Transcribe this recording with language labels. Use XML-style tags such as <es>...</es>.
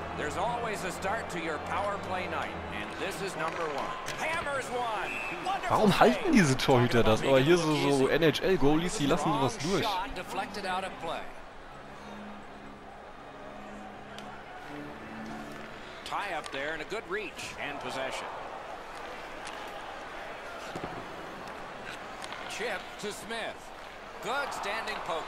<en>There's always a start to your power play night, and this is number one. Hammers one.</en> <de>Warum halten diese Torhüter das? Aber hier so NHL Goalies, die lassen sowas durch.</de> <en>Tie up there and a good reach and possession. Chip to Smith. Good standing poke.</en>